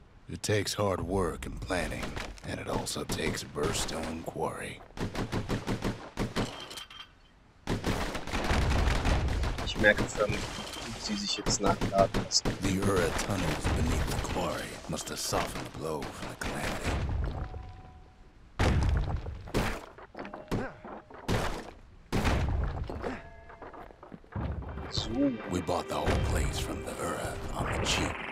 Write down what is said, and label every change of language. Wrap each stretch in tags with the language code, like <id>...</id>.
<en>It takes hard work and planning, and it also takes Bürstone Quarry.</en> <de>Ich merke förmlich, wie sie sich jetzt nachladen lassen.</de> <en>The Ura tunnels beneath the quarry must have softened the blow from the calamity. We bought the whole place from the Ura on the cheap.</en>